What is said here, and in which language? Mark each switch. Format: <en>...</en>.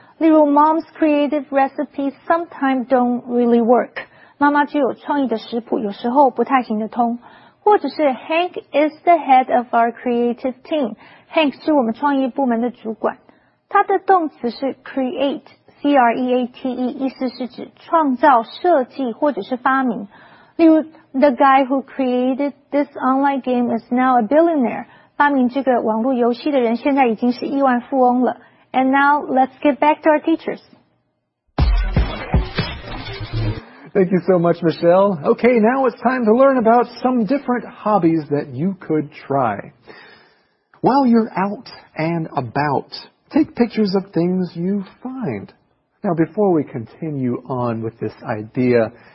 <en>例如 ,Mom's creative recipes sometimes don't really work.</en> <zh>妈妈具有创意的食谱有时候不太行得通。</zh> <en>或者是 ,Hank is the head of our creative team.</en> <zh>Hank 是我们创意部门的主管。它的动词是 create, C-R-E-A-T-E, 意思是指创造、设计或者是发明。</zh> <en>例如 ,The guy who created this online game is now a billionaire.</en> <zh>发明这个网络游戏的人现在已经是亿万富翁了。</zh> <en>And now, let's get back to our teachers. Thank you so much, Michelle. Okay, now it's time to learn about some different hobbies that you could try. While you're out and about, take pictures of things you find. Now, before we continue on with this idea,</en>